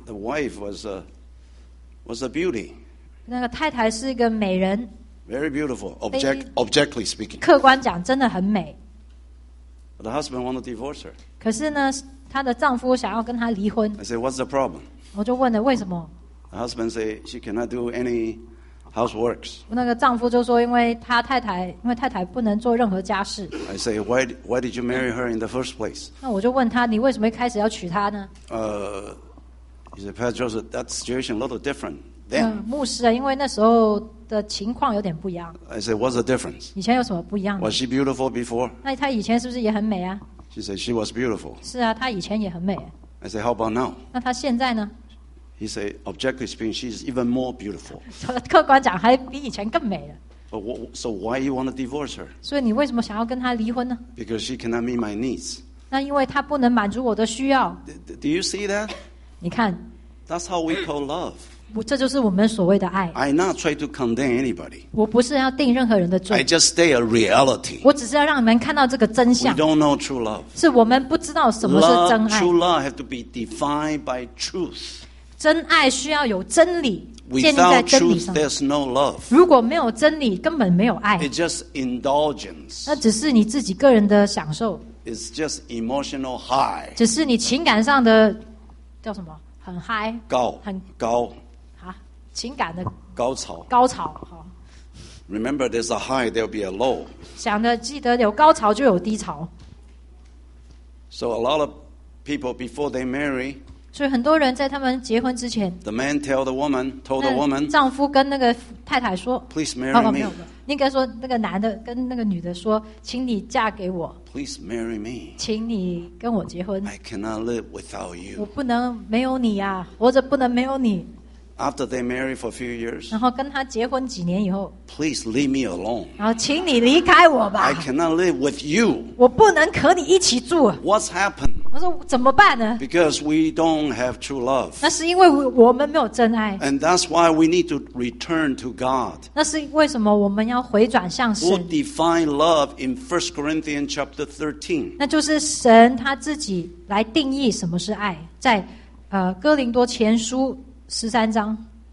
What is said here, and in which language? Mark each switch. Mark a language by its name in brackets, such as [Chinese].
[English] The wife was a beauty. [Chinese] 那个太太是一个美人 [English] Very beautiful, objectively speaking. [Chinese] 客观讲真的很美 [English] But the husband wanted to divorce her. [Chinese] 可是呢她的丈夫想要跟她离婚 [English] I said, what's the problem? [Chinese] 我就问了为什么 [English] The husband said, she cannot do any houseworks. [Chinese] 那个丈夫就说因为太太不能做任何家事 [English] I said, why did you marry her in the first place? [Chinese] 那我就问她你为什么一开始要娶她呢 [English] He said, Pastor Joseph, that situation a little different then. [Chinese] 牧师啊，因为那时候的情况有点不一样。 [English] I said, what's the difference? [Chinese] 以前有什么不一样的？ [English] Was she beautiful before? [Chinese] 那她以前是不是也很美啊？ [English] She said, she was beautiful. [Chinese] 是啊，她以前也很美。 [English] I said, how about now? [Chinese] 那她现在呢？ [English] He said, objectively speaking, she's even more beautiful. [Chinese] 客观讲，还比以前更美了。 [English] But so why you want to divorce her? [Chinese] 所以你为什么想要跟她离婚呢？ [English] Because she cannot meet my needs. [Chinese] 那因为她不能满足我的需要。 [English] Do you see that? [Chinese] 你看。 [English] That's how we call love. [Chinese] 这就是我们所谓的爱。 [English] I not try to condemn anybody. [Chinese] 我不是要定任何人的罪。 [English] I just stay a reality. [Chinese] 我只是要让你们看到这个真相。 [English] We don't know true love. [Chinese] 是我们不知道什么是真爱。 [English] True love have to be defined by truth. [Chinese] 真爱需要有真理。 [English] Without truth, there's no love. [Chinese] 如果没有真理，根本没有爱。 [English] It's just indulgence. [Chinese] 那只是你自己个人的享受。 [English] It's just emotional high. [Chinese] 只是你情感上的叫什么？很嗨，高，很高，啊，情感的高潮，高潮，好。 [English] Remember, there's a high, there'll be a low. [Chinese] 想的记得有高潮就有低潮。 [English] So a lot of people before they marry. [Chinese] 所以很多人在他们结婚之前 [English] ，the man told the woman， [Chinese] 丈夫跟那个太太说 [English] ，please marry me。 [Chinese] 应该说那个男的跟那个女的说，请你嫁给我。 [English] Please marry me. [Chinese] 请你跟我结婚。 [English] I cannot live without you. [Chinese] 我不能没有你啊，活着不能没有你。 [English] After they marry for a few years. [Chinese] 然后跟他结婚几年以后。 [English] Please leave me alone. [Chinese] 然后请你离开我吧。 [English] I cannot live with you. [Chinese] 我不能和你一起住。 [English] What's happened? [Chinese] 我说怎么办呢 [English] ？Because we don't have true love. [Chinese] 那是因为我们没有真爱。 [English] And that's why we need to return to God. [Chinese] 那是为什么我们要回转向神 [English] ？We'll define love in 1 Corinthians chapter 13. [Chinese] 那就是神他自己来定义什么是爱，在哥林多前书十三章。